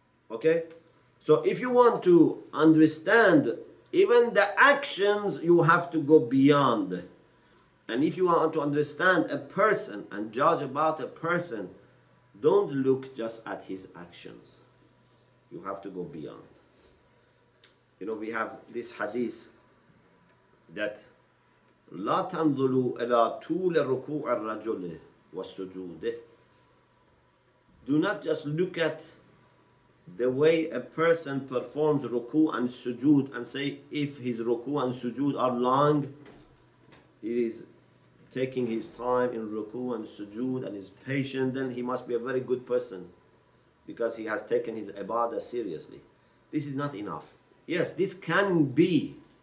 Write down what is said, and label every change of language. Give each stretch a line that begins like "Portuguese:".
English: Okay? So if you want to understand even the actions, you have to go beyond. And if you want to understand a person and judge about a person, don't look just at his actions. You have to go beyond. You know, we have this hadith that
Arabic: لا تنظروا إلى طول ركوع الرجل والسجود.
English: Do not just look at the way a person performs ruku and sujood and say if his ruku and sujood are long, he is taking his time in ruku and sujood and is patient, then he must be a very good person because he has taken his ibadah seriously. This is not enough. Yes, this can be